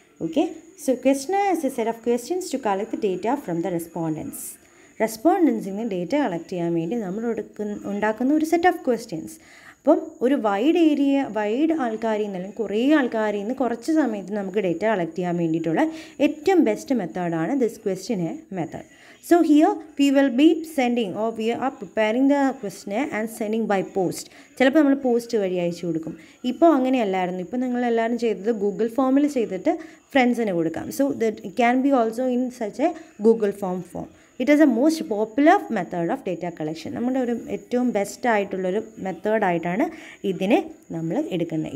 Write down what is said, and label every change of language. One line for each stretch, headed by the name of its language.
English: Okay, so questionnaire is a set of questions to collect data from the respondents.
Malayalam: റെസ്പോണ്ടൻസിൽ നിന്ന് data collect ചെയ്യാൻ വേണ്ടി നമ്മൾ ഉണ്ടാക്കുന്ന ഒരു സെറ്റ് ഓഫ് ക്വസ്റ്റ്യൻസ്. അപ്പം ഒരു വൈഡ് ഏരിയ വൈഡ് ആൾക്കാരിൽ നിന്ന് അല്ലെങ്കിൽ കുറേ ആൾക്കാരിൽ നിന്ന് കുറച്ച് സമയത്ത് നമുക്ക് ഡേറ്റ കളക്ട് ചെയ്യാൻ വേണ്ടിയിട്ടുള്ള ഏറ്റവും ബെസ്റ്റ് മെത്തേഡാണ് this ക്വസ്റ്റ്യനെ method.
English: So here we will be sending or we are preparing the questionnaire and sending by post.
Malayalam: ചിലപ്പോൾ നമ്മൾ പോസ്റ്റ് വഴി അയച്ചു കൊടുക്കും. ഇപ്പോൾ അങ്ങനെയല്ലായിരുന്നു, ഇപ്പോൾ നിങ്ങളെല്ലാവരും ചെയ്തത് ഗൂഗിൾ ഫോമിൽ ചെയ്തിട്ട് ഫ്രണ്ട്സിന് കൊടുക്കാം.
English: So that can be also in such a Google form form. It is a most popular method of data collection.
Malayalam: നമ്മുടെ ഒരു ഏറ്റവും ബെസ്റ്റായിട്ടുള്ളൊരു മെത്തേഡായിട്ടാണ് ഇതിനെ നമ്മൾ എടുക്കുന്നത്.